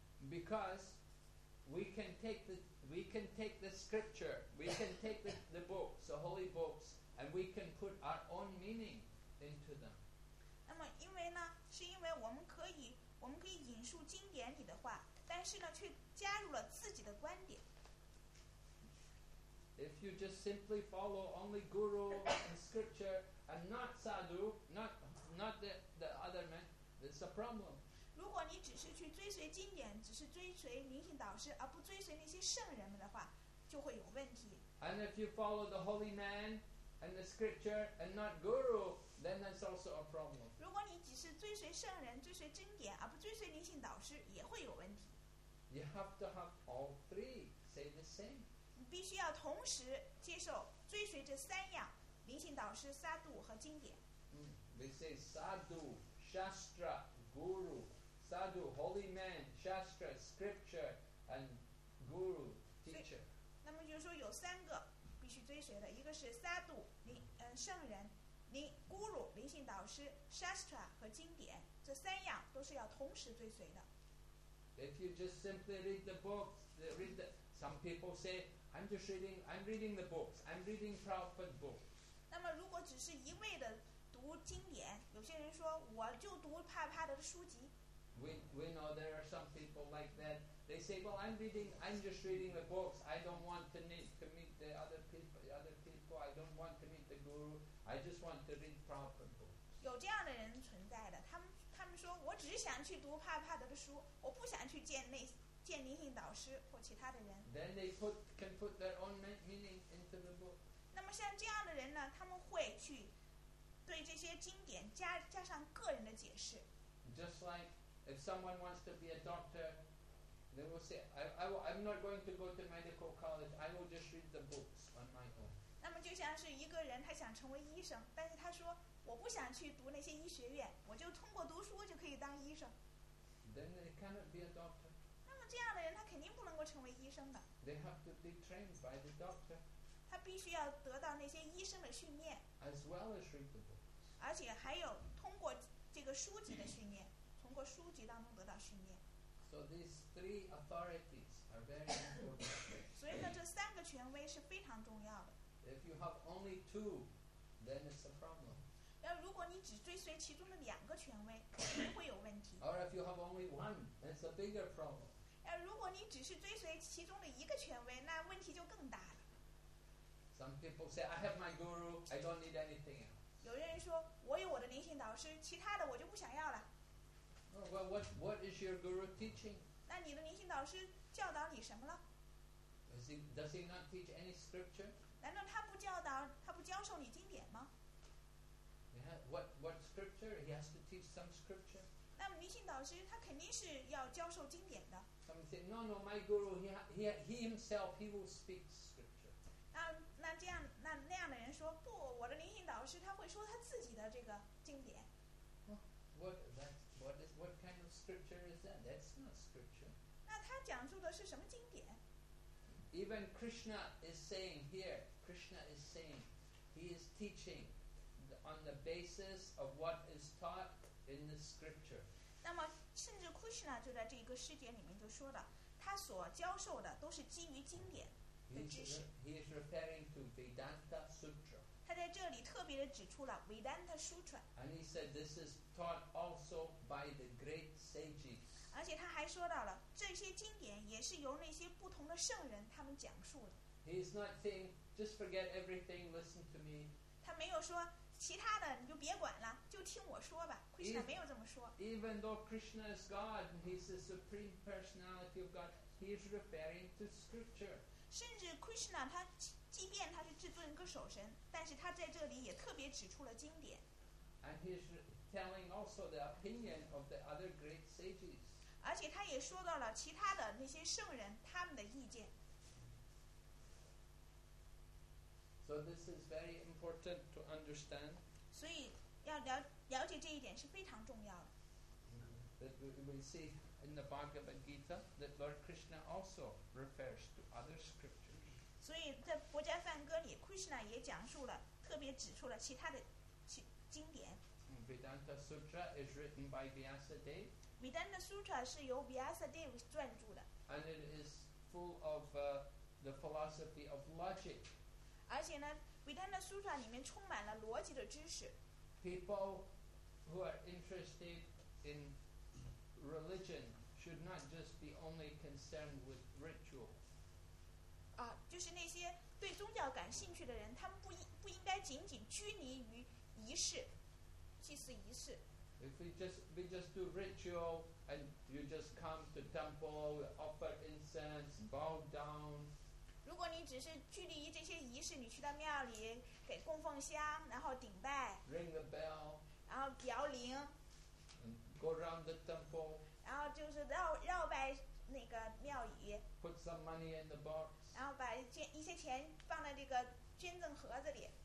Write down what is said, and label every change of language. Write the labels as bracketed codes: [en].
[en] Because we can take the scripture, we can take the books, the holy books, and we can put our own meaning into them. [zh] 那么因为呢，是因为我们可以引述经典里的话，但是呢，却加入了自己的观点。 [en] If you just simply follow only guru and scripture and not sadhu, not the other man, it's a problem. [zh] 如果你只是去追随经典，只是追随灵性导师，而不追随那些圣人们的话，就会有问题。 [en] And if you follow the holy man and the scripture and not guru, then that's also a problem. [zh] 如果你只是追随圣人，追随经典，而不追随灵性导师，也会有问题。 [en] You have to have all three say the same. [zh] 你必须要同时接受追随这三样灵性导师萨杜和经典、 [en] We say sadhu, shastra, guru. Sadhu, holy man, shastra, scripture, and guru, teacher. [zh] 那么就是说有三个必须追随的，一个是萨杜、圣人、guru, 灵性导师 shastra 和经典，这三样都是要同时追随的。 [en] If you just simply read the books, some people say, I'm reading the books, I'm reading Prabhupada's books. [zh] 那么如果只是一味的读经典，有些人说我就读帕帕的书籍。 [en] We know there are some people like that. They say, well, I'm just reading the books. I don't want to meet the other people. I don't want to meet the guru. I just want to read Prabhupada's books. [zh] 有这样的人存在的，他们说我只想去读帕帕的书，我不想去见灵性导师或其他的人。 [en] Then they can put their own meaning into the book. [zh] 那么像这样的人呢，他们会去对这些经典加上个人的解释。 [en] Just like if someone wants to be a doctor, they will say, I'm not going to go to medical college. I will just read the books on my own. [zh] 那么就像是一个人他想成为医生，但是他说我不想去读那些医学院，我就通过读书就可以当医生。 [en] Then they cannot be a doctor. [zh] 这样的人他肯定不能够成为医生的。 [en] They have to be trained by the doctor. [zh] 他必须要得到那些医生的训练。 [en] As well as read the books. [zh] 而且还有通过这个书籍的训练，通过书籍当中得到训练。 [en] So these three authorities are very important. [zh] 所以呢，这三个权威是非常重要的。 [en] If you have only two, then it's a problem. [zh] 要如果你只追随其中的两个权威，肯定会有问题。 [en] Or if you have only one, that's a bigger problem. [zh] 如果你只是追随其中的一个权威，那问题就更大了。 [en] Some people say, I have my guru, I don't need anything else. [zh] 有人说，我有我的灵性导师，其他的我就不想要了。 [en] Oh, well, what is your guru teaching? [zh] 那你的灵性导师教导你什么了？ [en] Does he not teach any scripture? [zh] 难道他不教导，他不教授你经典吗？ [en] Yeah, what scripture? He has to teach some scripture. [zh] 那么灵性导师他肯定是要教授经典的。 [en] Somebody said, "No, no, my guru, he himself, he will speak scripture." [zh] 那样的人说，不，我的灵性导师他会说他自己的这个经典。 [en] What kind of scripture is that? That's not scripture. [zh] 那他讲述的是什么经典 [en] ？Even Krishna is saying here. Krishna is saying, he is teaching on the basis of what is taught. In the scripture. [zh] 那么甚至 Krishna 就在这个世界里面就说了，他所教授的都是基于经典的知识。 [en] He is referring to Vedanta Sutra. [zh] 他在这里特别的指出了 Vedanta Sutra. [en] And he said this is taught also by the great sages. [zh] 而且他还说到了，这些经典也是由那些不同的圣人他们讲述的。 [en] He's not saying, just forget everything, listen to me. [zh] 他没有说其他的你就别管了，就听我说吧。 Krishna 没有这么说。 [en] Even though Krishna is God and He's the supreme personality of God, He is referring to Scripture. [zh] 甚至 Krishna 他即便他是至尊歌手神，但是他在这里也特别指出了经典。 [en] And He's telling also the opinion of the other great sages. [zh] 而且他也说到了其他的那些圣人他们的意见。 [en] So this is very important to understand. [zh] 所以要了解这一点是非常重要的。 [en] That we see in the Bhagavad Gita that Lord Krishna also refers to other scriptures. [zh] 所以在《博迦梵歌》里 ，Krishna 也讲述了，特别指出了其他的经典。 [en] Vedanta Sutra is written by Vyasadeva. [zh] Vedanta Sutra 是由 Vyasadeva 撰著的。 [en] And it is full of the philosophy of logic. [zh] 而且呢，维丹的书上里面充满了逻辑的知识。 [en] People who are interested in religion should not just be only concerned with ritual. [zh] 啊，就是那些对宗教感兴趣的人，他们不应该仅仅拘泥于仪式，祭祀仪式。 [en] If we just do ritual and you just come to temple, offer incense, bow down. [zh] 如果你只是距离于这些仪式，你去到庙里给供奉香，然后顶拜 [en] ，ring the bell， [zh] 然后摇铃 [en] ，and go around the temple， [zh] 然后就是绕拜那个庙宇 [en] ，put some money in the box， [zh] 然后把一些钱放在这个捐赠盒子里。